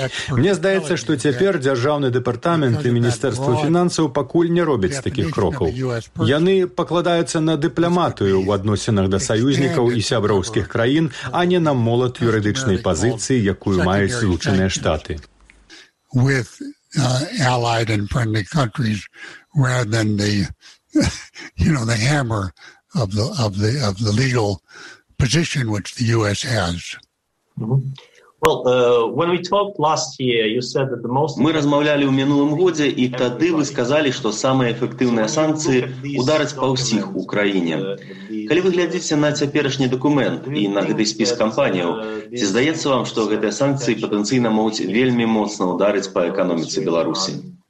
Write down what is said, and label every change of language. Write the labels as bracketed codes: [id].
[be] Мне здаецца, што цяпер Дзяржаўны дэпартамент і Міністэрства фінансаў пакуль не робяць такіх крокаў. Яны пакладаюцца на дыпламатыю ў адносінах да саюзнікаў і сяброўскіх краін, а не на молат юрыдычнай пазіцыі, якую маюць Злучаныя Штаты. [en] Allied and friendly countries rather than the you know the hammer of the of the of the legal position which the US has. Well, when we talked last year, you said that the most [be] Мы размаўлялі ў мінулым годзе, і тады вы сказалі, што самыя эфектыўныя санкцыі ударыць па ўсіх у краіне. Калі вы глядзіце на цяперашні дакумент і на гэты спіс кампаніяў, ці здаецца вам, што гэтыя санкцыі патэнцыйна могуць вельмі моцна ударыць па эканоміцы Беларусі?